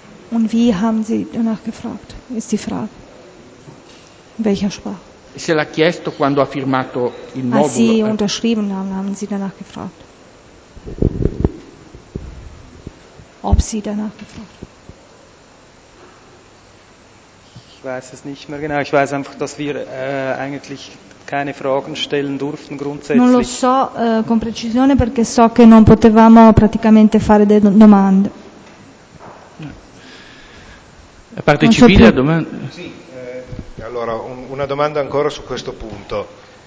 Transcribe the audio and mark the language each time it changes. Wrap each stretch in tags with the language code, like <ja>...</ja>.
<de>Und wie haben Sie danach gefragt? Ist die Frage. In welcher Sprache?</de> <it>Se l'ha chiesto quando ha firmato il modulo.</it> <de>Als Sie unterschrieben haben, haben Sie danach gefragt. Ob Sie danach gefragt. Ich weiß es nicht mehr genau. Ich weiß einfach, dass wir eigentlich keine Fragen stellen durften grundsätzlich.</de> <it>Non lo so con precisione, perché so che non potevamo praticamente fare delle domande. A parte non civile, so più... domanda. Sì, allora una domanda ancora su questo punto.</it>